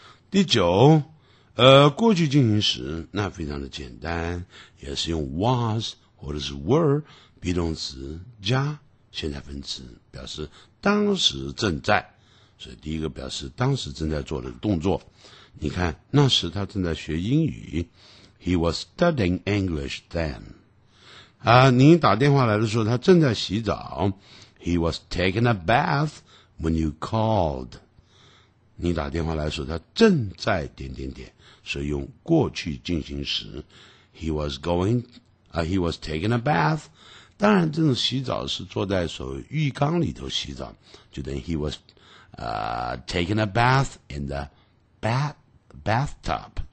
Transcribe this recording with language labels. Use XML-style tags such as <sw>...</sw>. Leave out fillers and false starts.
<zh>第九，过去进行时那非常的简单，也是用 was 或者是 were be 动词加现在分词，表示当时正在。所以第一个表示当时正在做的动作。你看，那时他正在学英语。</zh> <en>He was studying English then.</en> <zh>啊，你打电话来的时候，他正在洗澡。</zh> <en>He was taking a bath when you called.</en> <zh>你打电话来的时候，他正在点点点，是用过去进行时。</zh> <en>He was going, he was taking a bath.</en> <zh>当然，这种洗澡是坐在所谓浴缸里头洗澡，就等于</zh> <en>he was, taking a bath in the bathtub.</en>